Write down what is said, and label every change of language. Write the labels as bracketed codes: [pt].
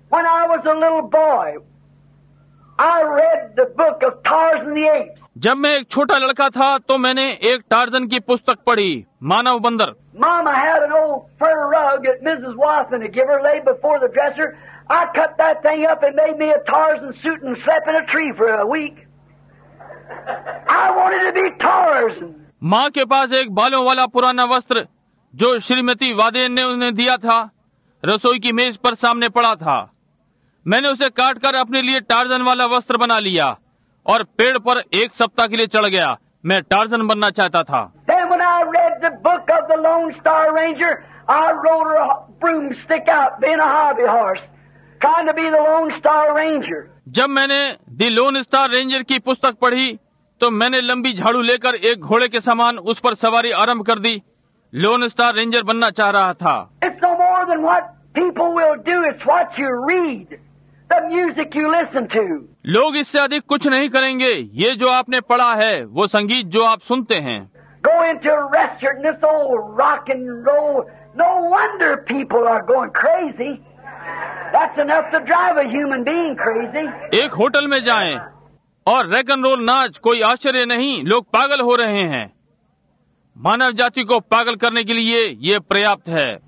[en] When I was a little boy, I read the book of Tarzan the Apes. [hi] जब मैं एक छोटा लड़का था तो मैंने एक टार्जन की पुस्तक पढ़ी, मानव बंदर। [en] Mama had an old fur rug at Mrs. Watson to give her lay before the dresser. I cut that thing up and made me a Tarzan suit and slept in a tree for a week. I wanted to be Tarzan. [hi] माँ के पास एक बालों वाला पुराना वस्त्र जो श्रीमती वादेन ने उन्हें दिया था रसोई की मेज पर सामने पड़ा था। मैंने उसे काट कर अपने लिए टार्जन वाला वस्त्र बना लिया और पेड़ पर एक सप्ताह के लिए चढ़ गया। मैं टार्जन बनना चाहता था। [en] Then when I read the book of the Lone Star Ranger, I rode a broomstick out, being a hobby horse, trying to be the Lone Star Ranger. [hi] जब मैंने The Lone Star Ranger की पुस्तक पढ़ी तो मैंने लंबी झाड़ू लेकर एक घोड़े के समान उस पर सवारी आरम्भ कर दी। लोन स्टार रेंजर बनना चाह रहा था। [en] It's no more than what people will do, it's what you read, the music you listen to. [hi] लोग इससे अधिक कुछ नहीं करेंगे, ये जो आपने पढ़ा है वो संगीत जो आप सुनते हैं। [en] Go into a restaurant and this old rock and roll, no wonder people are going crazy. That's enough to drive a human being crazy. [hi] एक होटल में जाएं और रॉक एंड रोल नाच, कोई आश्चर्य नहीं लोग पागल हो रहे हैं। मानव जाति को पागल करने के लिए ये पर्याप्त है।